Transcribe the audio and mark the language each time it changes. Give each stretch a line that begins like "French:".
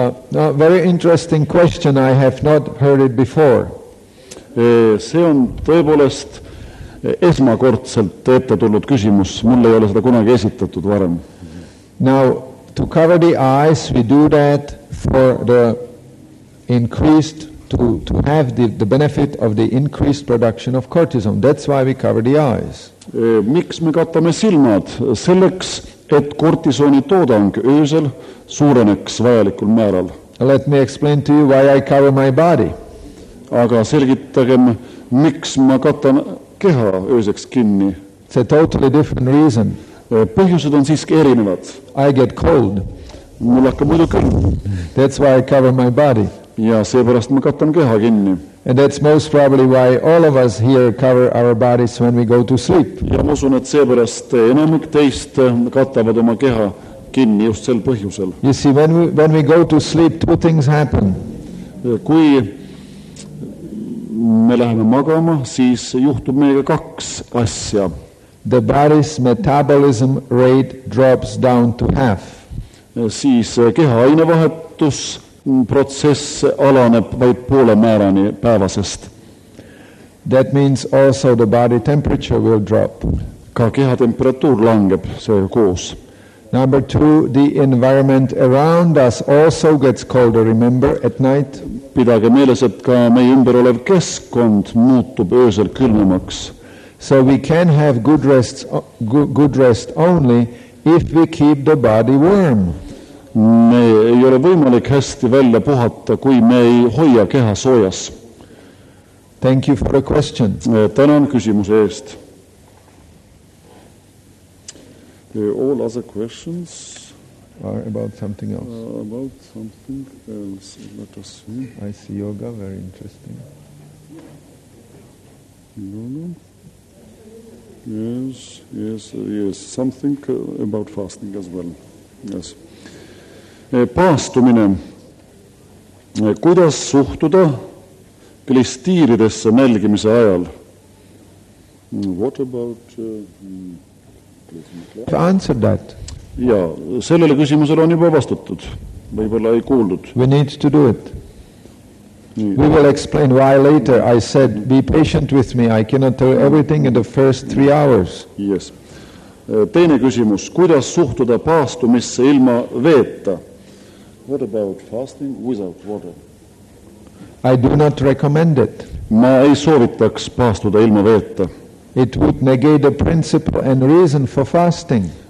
English: No, very interesting question. I have not heard it before.
Estonian: See on tõepoolest esmakordselt ette tulnud küsimus. Mulle ei ole seda kunagi esitatud varem.
English: Now, to cover the eyes, we do that for the increased to have the benefit of the increased production of cortisone. That's why we cover the eyes.
Estonian: Miks me katame silmad? Selleks, et kortisooni toodang öösel suureneks vajalikul määral.
English: Let me explain to you why I cover my body.
Estonian: Aga selgitagem, miks ma katan keha ööseks kinni.
English: It's a totally different reason.
Estonian: Põhjused on siiski erinevad.
English: I get cold.
Estonian: Mul hakkab muidu külm.
English: That's why I cover my body.
Estonian: Ja seepärast ma katan keha kinni.
English: And that's most probably why all of us here cover our bodies when we go to sleep.
Estonian: Ja ma usun, et seepärast enamik teist katavad oma keha kinni just sel põhjusel.
English: You see, when we go to sleep, two things happen.
Estonian: Kui me läheme magama, siis juhtub meiega kaks asja.
English: The body's metabolism rate drops down to half.
Estonian: Siis keha ainevahetus protsess alaneb vaid poole määrani päevasest.
English: That means also the body temperature will drop.
Estonian: Ka keha temperatuur langeb see koos.
English: Number two, the environment around us also gets colder, remember, at night.
Estonian: Pidage meeles, et ka meie ümber olev keskkond muutub öösel külmemaks.
English: So we can have good rest only if we keep the body warm.
Estonian: Me ei ole võimalik hästi välja puhata, kui me ei hoia keha soojas.
English: Thank you for the question.
Estonian: Tänan küsimuse eest.
English: All other questions are about something else. About something else. Let us see. I see yoga, very interesting. No. Yes. Something about fasting as well. Yes.
Estonian: Paastumine. Kuidas suhtuda glistiiridesse nälgimise ajal?
English: What about... I've answered that.
Estonian: Ja, sellele küsimusele on juba vastatud. Võibolla ei kuuldud.
English: We need to do it.
Estonian: Nii.
English: We will explain why later. I said, be patient with me. I cannot tell everything in the first three hours. Yes. Teine küsimus. Kuidas suhtuda paastumisse ilma veeta? What about fasting without water? I do not recommend it.
Estonian: Ma ei soovitaks paastuda ilma veeta.
English: It would negate the principle and reason for fasting.